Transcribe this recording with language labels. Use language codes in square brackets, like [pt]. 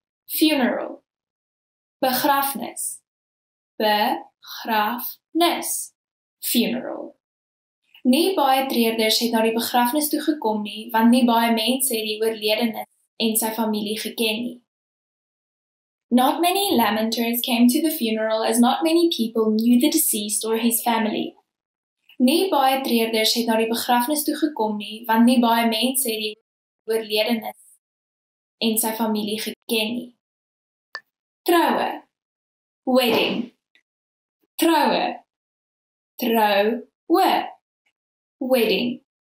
[en] funeral. [af] Begrafnis, begrafnis, [en] funeral. [af] Nie baie treurders het na die begrafnis toe gekom nie, want nie baie mense het die oorledene en sy familie geken nie. [en] Not many lamenters came to the funeral as not many people knew the deceased or his family. [af] Nie baie treurders het na die begrafnis toe gekom nie, want nie baie mense het die oorledene en sy familie geken nie. Troue, [en] wedding. [af] Trouwe. Trouwe. [en] Wedding.